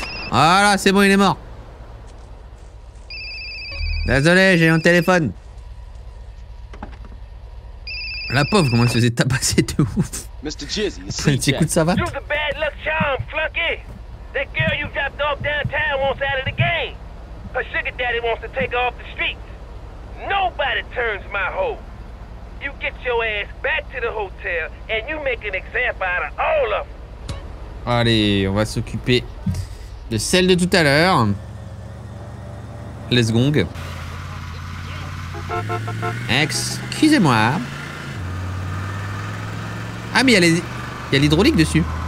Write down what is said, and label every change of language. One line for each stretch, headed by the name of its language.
French: Voilà, c'est bon, il est mort. Désolé, j'ai un téléphone. La pauvre, comment elle se faisait tabasser de ouf. Mr. Jizzy, c'est un petit coup de savate.
English: You're the bad luck charm, flunky. That girl you dropped off downtown wants out of the game. Her sugar daddy wants to take her off the streets. Nobody turns my hoe. You get your ass back to the hotel and you make an example out of all of them.
French: Allez, on va s'occuper de celle de tout à l'heure. Les gong. Excusez-moi. Ah mais il y a l'hydraulique dessus.